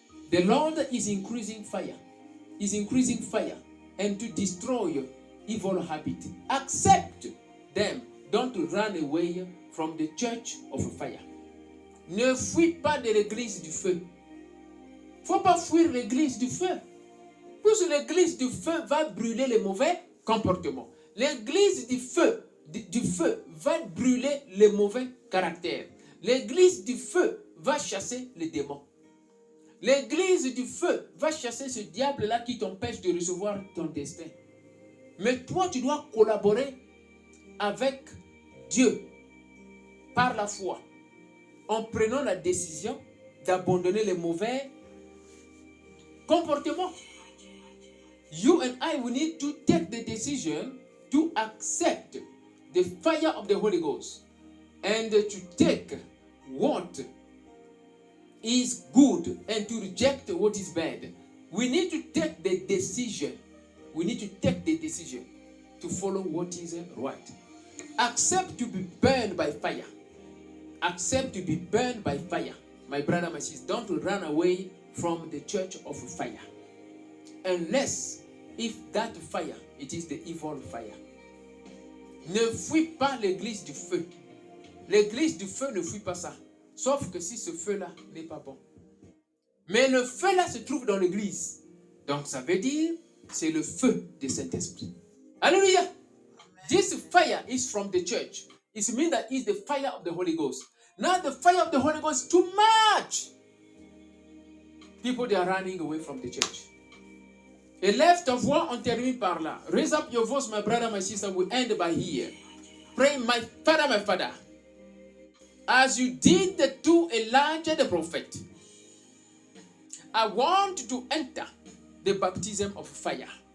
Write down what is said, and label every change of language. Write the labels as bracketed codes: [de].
[en] The Lord is increasing fire, is increasing fire, and to destroy evil habit. Accept them. Don't run away from the church of fire. [fr] Ne fuis pas de l'église du feu. Il ne faut pas fuir l'église du feu. Parce que l'église du feu va brûler les mauvais comportements. L'église du feu va brûler les mauvais caractères. L'église du feu va chasser les démons. L'église du feu va chasser ce diable-là qui t'empêche de recevoir ton destin. Mais toi, tu dois collaborer avec Dieu par la foi. En prenant la décision d'abandonner les mauvais comportements. [en] You and I, we need to take the decision to accept the fire of the Holy Ghost and to take what is good and to reject what is bad. We need to take the decision. We need to take the decision to follow what is right. Accept to be burned by fire. Accept to be burned by fire. My brother, my sister, don't run away from the church of fire. Unless if that fire, it is the evil fire. [fr] Ne fuis pas l'église du feu. L'église du feu ne fuit pas ça. Sauf que si ce feu-là n'est pas bon. Mais le feu-là se trouve dans l'église. Donc ça veut dire, c'est le feu de Saint-Esprit. [en] Alléluia! This fire is from the church. It means that it's the fire of the Holy Ghost. Now the fire of the Holy Ghost is too much. People, they are running away from the church. [fr] Élève ta voix, on termine par là. [en] Raise up your voice, my brother, my sister. We end by here. Pray, my father, as you did to Elijah the prophet, I want to enter the baptism of fire.